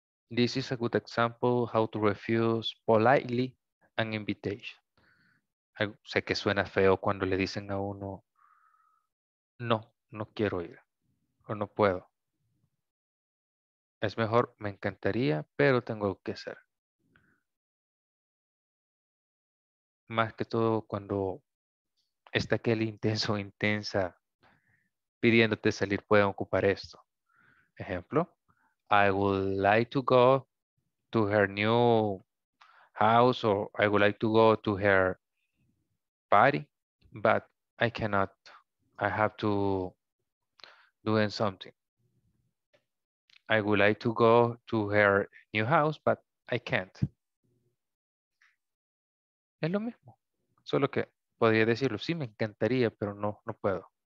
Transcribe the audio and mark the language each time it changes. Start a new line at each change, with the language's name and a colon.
English: This is a good example how to refuse politely an invitation.
Spanish: Sé que suena feo cuando le dicen a uno, no, no quiero ir, o no puedo. Es mejor, me encantaría, pero tengo algo que hacer. Más que todo cuando está aquel intenso, intensa, pidiéndote salir, pueden ocupar esto.
English: Ejemplo, I would like to go to her new house, or I would like to go to her party, but I cannot, I have to do something. I would like to go to her new house, but I can't.
Spanish: Es lo mismo, solo que podría decirlo, sí, me encantaría, pero no, no puedo.